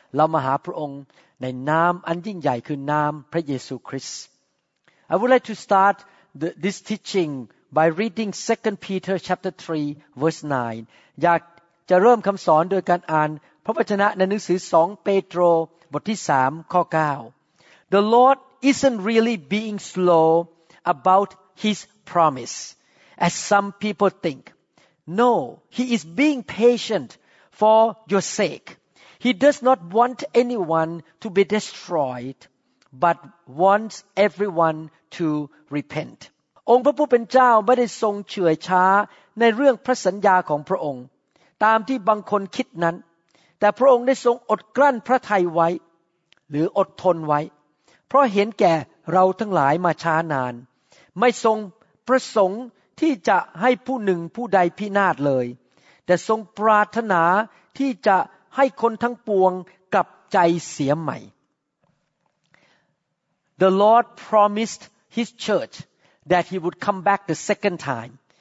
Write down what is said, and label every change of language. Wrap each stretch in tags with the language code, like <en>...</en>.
<th>เรามาหาพระองค์ในนามอันยิ่งใหญ่คือนามพระเยซูคริสต์</th> <en>I would like to startThis teaching by reading 2 Peter chapter 3 verse 9.</en> <th>อยากจะเริ่มคำสอนโดยการอ่านพระวจนะในหนังสือ2 Peter บทที่3ข้อ9.</th> <en>The Lord isn't really being slow about His promise, as some people think. No, He is being patient for your sake. He does not want anyone to be destroyed. But wants everyone to repent.</en> <th>องค์พระผู้เป็นเจ้าไม่ได้ทรงเฉื่อยช้าในเรื่องพระสัญญาของพระองค์ตามที่บางคนคิดนั้นแต่พระองค์ได้ทรงอดกลั้นพระทัยไว้ หรืออดทนไว้เพราะเห็นแก่เราทั้งหลายมาช้านานไม่ทรงประสงค์ที่จะให้ผู้หนึ่งผู้ใดพินาศเลยแต่ทรงปรารถนาที่จะให้คนทั้งปวงกลับใจเสียใหม่</th> <en>The Lord promised His church that He would come back the second time.</en>